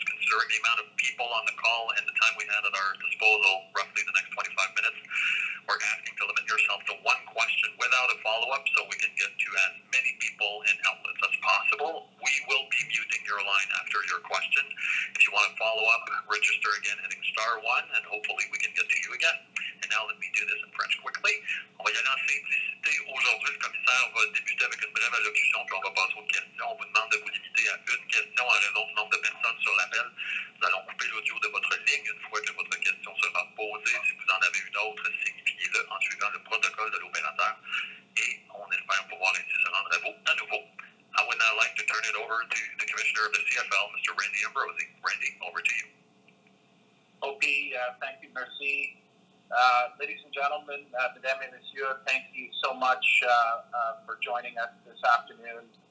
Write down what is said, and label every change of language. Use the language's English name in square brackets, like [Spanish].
[English] Considering the amount of people on the call and the time we had at our disposal, roughly the next 25 minutes, we're asking to limit yourself to one question without a follow-up so we can get to as many people and outlets as possible. We will be muting your line after your question. If you want to follow up, register again hitting star one, and hopefully we can get to you again. And now let me do this in French quickly. [French] On va y aller en simplicité. Aujourd'hui, le commissaire va débuter avec une brève allocution, puis on va passer aux questions. On vous demande de vous limiter à une question en raison du nombre de personnes sur l'appel. Nous allons couper l'audio de votre ligne une fois que votre question sera posée. Si vous en avez une autre, signifiez-le en suivant le protocole de l'opérateur. Et on espère pouvoir ainsi se rendre à vous à nouveau. [English] I would now like to turn it over to the commissioner of the CFL, Mr. Randy Ambrosi. Randy, over to you. Thank you, merci. Ladies and gentlemen, [French] Madame et Monsieur, [English] thank you so much for joining us this afternoon.